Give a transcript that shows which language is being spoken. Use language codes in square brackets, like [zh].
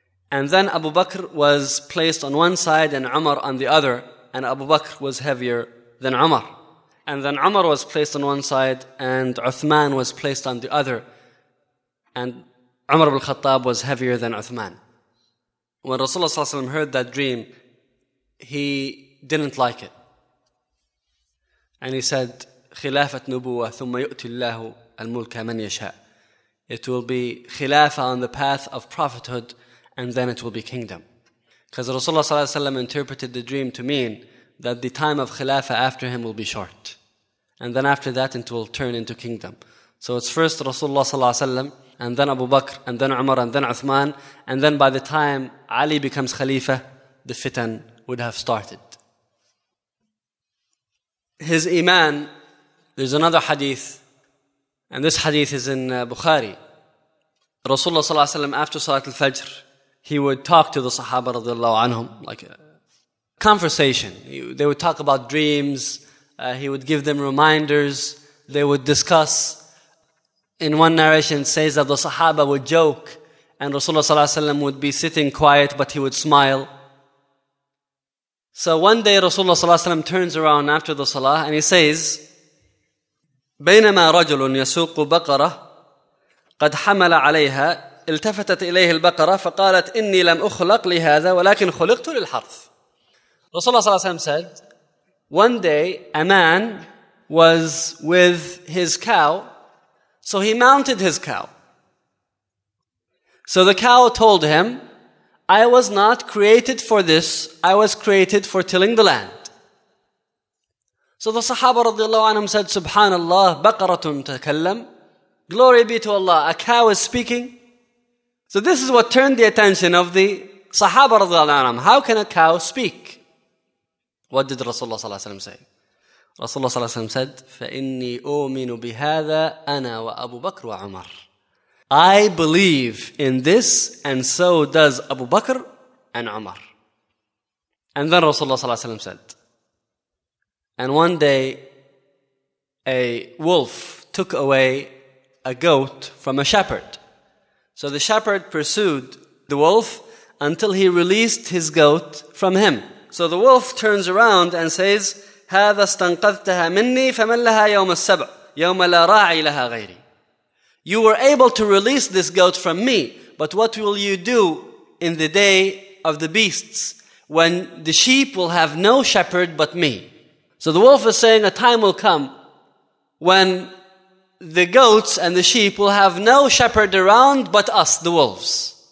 [en] And then Abu Bakr was placed on one side and Umar on the other, and Abu Bakr was heavier than Umar. And then Umar was placed on one side and Uthman was placed on the other, and Umar ibn Khattab was heavier than Uthman. When Rasulullah ﷺ heard that dream, he didn't like it. And he said, [ar] خِلَافَةْ نُبُوَّةْ ثُمَّ يُؤْتِ اللَّهُ الْمُلْكَ مَنْ يَشَاءُ. [en] It will be khilafah on the path of prophethood, and then it will be kingdom. Because Rasulullah ﷺ interpreted the dream to mean that the time of khilafah after him will be short. And then after that, it will turn into kingdom. So it's first Rasulullah ﷺ, and then Abu Bakr, and then Umar, and then Uthman, and then by the time Ali becomes khalifa, the fitan would have started. His iman, there's another hadith, and this hadith is in Bukhari. Rasulullah sallallahu alayhi wa sallam, after Salat al-Fajr, he would talk to the Sahaba radiallahu anhum, like a conversation. They would talk about dreams, he would give them reminders, they would discuss. In one narration, it says that the Sahaba would joke, and Rasulullah sallallahu alayhi wa sallam would be sitting quiet, but he would smile. So one day Rasulullah sallallahu alayhi wa sallam turns around after the salah and he says, [ar] بينما رجل يسوق بقرة قد حمل عليها التفتت إليه البقرة فقالت إني لم أخلق لهذا ولكن خلقت للحرث. [en] Rasulullah sallallahu alayhi wa sallam said, one day a man was with his cow, so he mounted his cow. So the cow told him, I was not created for this, I was created for tilling the land. So the Sahaba radiallahu anhum said, Subhanallah, [ar] baqaratun takallam. [en] Glory be to Allah, a cow is speaking. So this is what turned the attention of the Sahaba radiallahu anhum. How can a cow speak? What did Rasulullah sallallahu alayhi wa sallam say? Rasulullah sallallahu alayhi wa sallam said, [ar] فَإِنِّي أُؤْمِنُ بِهَذَا أَنَا وَأَبُو بَكْرُ وَعُمَرُ. [en] I believe in this, and so does Abu Bakr and Umar. And then Rasulullah sallallahu alayhi wa sallam said, and one day a wolf took away a goat from a shepherd. So the shepherd pursued the wolf until he released his goat from him. So the wolf turns around and says, [ar] هَذَا اسْتَنْقَذْتَهَا مِنِّي فَمَنْ لَهَا يَوْمَ السَّبْعِ يَوْمَ لَا رَاعِي لَهَا غَيْرِي. [en] You were able to release this goat from me, but what will you do in the day of the beasts when the sheep will have no shepherd but me? So the wolf is saying a time will come when the goats and the sheep will have no shepherd around but us, the wolves.